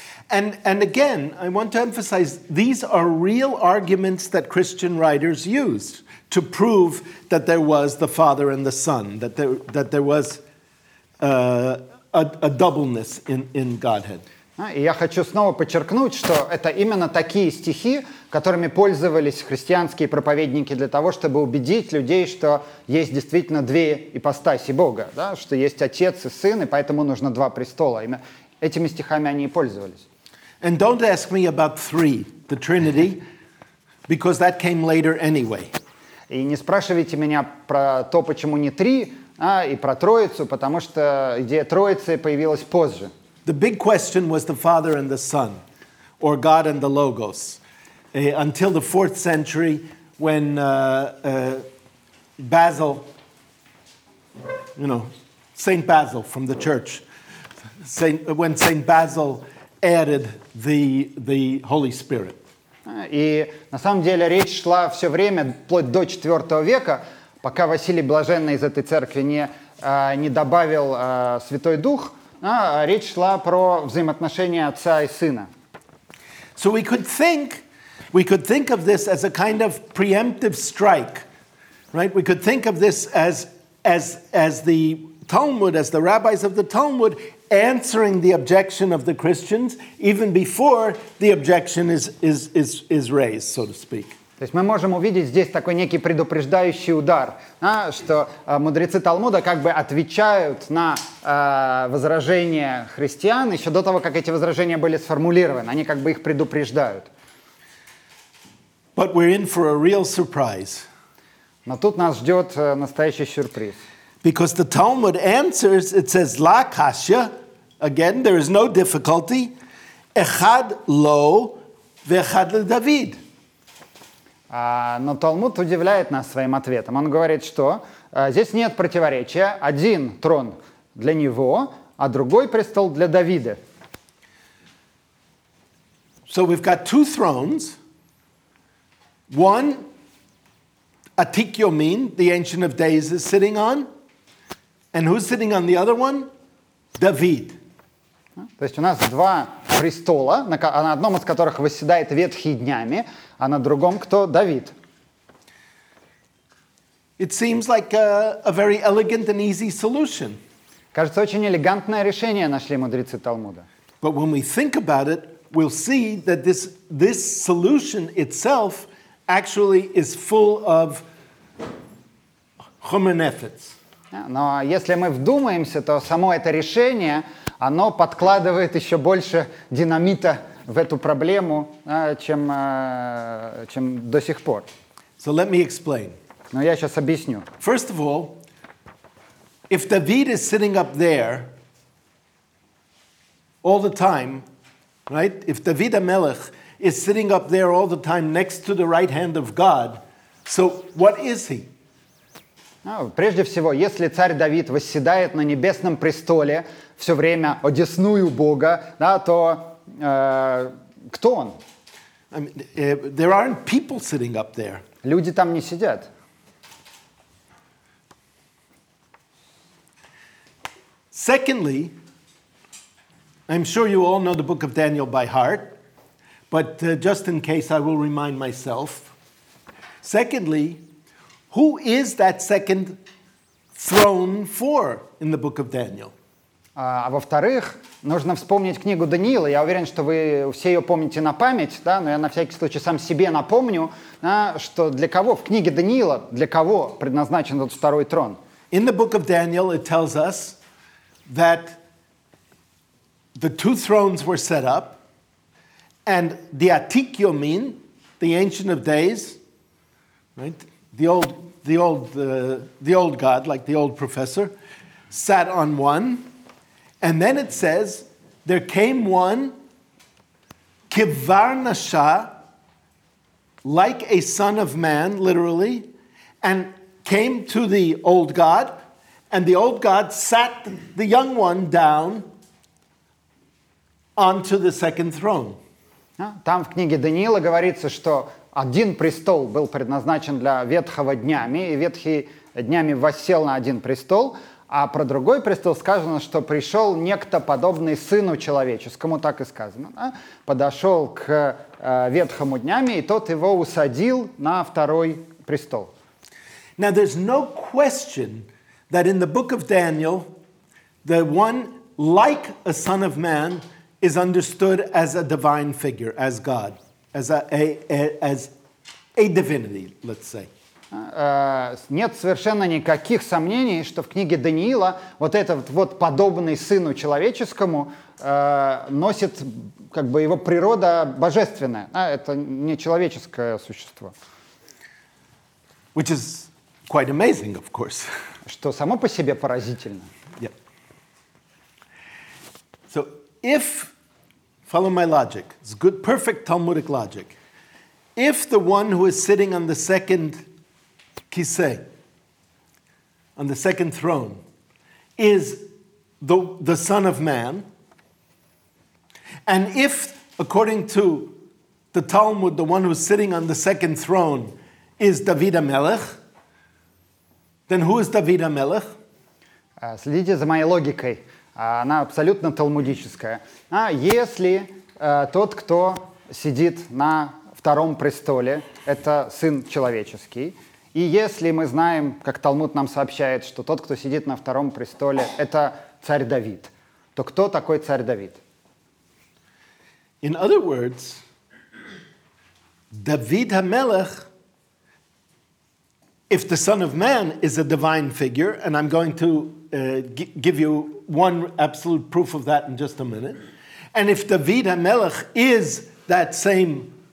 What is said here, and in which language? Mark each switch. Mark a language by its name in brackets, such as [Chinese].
[English] And again, I want to emphasize, these are real arguments that Christian writers used to prove that there was the Father and the Son, that there was a doubleness in Godhead. [Russian] И я хочу снова подчеркнуть, что это именно такие стихи, которыми пользовались христианские проповедники для того, чтобы убедить людей, что есть действительно две ипостаси Бога, да? Что есть Отец и Сын, и поэтому нужно два престола. Этими стихами они и пользовались. [English] And don't ask me about three, the Trinity, because that came later anyway. [Russian] И не спрашивайте меня про то, почему не три, и про Троицу, потому что идея Троицы появилась позже. [English] The big question was the Father and the Son, or God and the Logos, until the 4th century when Basil, you know, St. Basil from the church, when St. Basil added the Holy Spirit. [Russian] И на самом деле речь шла все время, вплоть до 4 века, пока Василий Блаженный из этой церкви не добавил Святой Дух, речь шла про взаимоотношения отца и сына. [English] So we could think of this as a kind of preemptive strike, right? We could think of this as the Talmud, as the rabbis of the Talmud answering the objection of the Christians even before the objection is raised, so to speak. [Russian] То есть мы можем увидеть здесь такой некий предупреждающий удар, что мудрецы Талмуда как бы отвечают на возражения христиан еще до того, как эти возражения были сформулированы. Они как бы их предупреждают. [English] But we're in for a real surprise. [Russian] Но тут нас ждет настоящий сюрприз. [English] Because the Talmud answers, it says, [Hebrew] «Ла каша», [English] again, there is no difficulty, [Hebrew] «Эхад ло вехад ле Давид». [Russian] Но Талмуд удивляет нас своим ответом. Он говорит, что здесь нет противоречия. Один трон для него, а другой престол для Давида. [English] So we've got two thrones. One, Atik Yomin, the Ancient of Days, is sitting on. And who's sitting on the other one? David. [Russian] То есть у нас два престола, на одном из которых восседает Ветхий днями, а на другом кто? Давид. [English] It seems like a very elegant and easy solution. [Russian] Кажется, очень элегантное решение нашли мудрецы Талмуда. [English] But when we think about it, we'll see that this solution itself actually is full of [Hebrew] chumra nefetz. [Russian] Но если мы вдумаемся, то само это решение, оно подкладывает еще больше динамита в эту проблему, чем до сих пор. [English] So let me explain. [Russian] Но я сейчас объясню. [English] First of all, if David is sitting up there all the time, right? If David HaMelech is sitting up there all the time next to the right hand of God, so what is he? [Russian] Прежде всего, если царь Давид восседает на небесном престоле все время одесную Бога, да, то кто он? [English] I mean, there aren't people sitting up there. [Russian] Люди там не сидят. [English] Secondly, I'm sure you all know the book of Daniel by heart, but just in case, I will remind myself. Secondly, who is that second throne for in the book of Daniel? [Russian] А во-вторых, нужно вспомнить книгу Даниила. Я уверен, что вы все ее помните на память, да? Но я на всякий случай сам себе напомню, да, что для кого в книге Даниила, для кого предназначен этот второй трон? [English] In the book of Daniel it tells us that the two thrones were set up and the Atikyomin, the Ancient of Days, right? The old god, like the old professor, sat on one. And then it says, there came one, Kivarnasha, like a son of man, literally, and came to the old god, and the old god sat the young one down onto the second throne. [Russian] Там в книге Даниила говорится, что один престол был предназначен для ветхого днями, и ветхий днями воссел на один престол. А про другой престол сказано, что пришел некто подобный сыну человеческому, так и сказано, да? Подошел к ветхому днями, и тот его усадил на второй престол. [English] Now there's no question that in the book of Daniel, the one like a son of man is understood as a divine figure, as God, as a divinity, let's say. [Russian] Нет совершенно никаких сомнений, что в книге Даниила вот этот вот подобный сыну человеческому носит как бы его природа божественная, а это не человеческое существо. [English] Which is quite amazing, of course. [Russian] Что само по себе поразительно. [English] Yeah. So if, follow my logic, it's good, perfect Talmudic logic. If the one who is sitting on the second kise, on the second throne, is the son of man, and if, according to the Talmud, the one who's sitting on the second throne is David HaMelech, then who is David HaMelech? [Russian] Следите за моей логикой. Она абсолютно талмудическая. А если тот, кто сидит на втором престоле, это сын человеческий, и если мы знаем, как Талмуд нам сообщает, что тот, кто сидит на втором престоле, это царь Давид, то кто такой царь Давид? [English] In other words, David HaMelech, if the son of man is a divine figure, and I'm going to give you one absolute proof of that in just a minute, and if David HaMelech is that same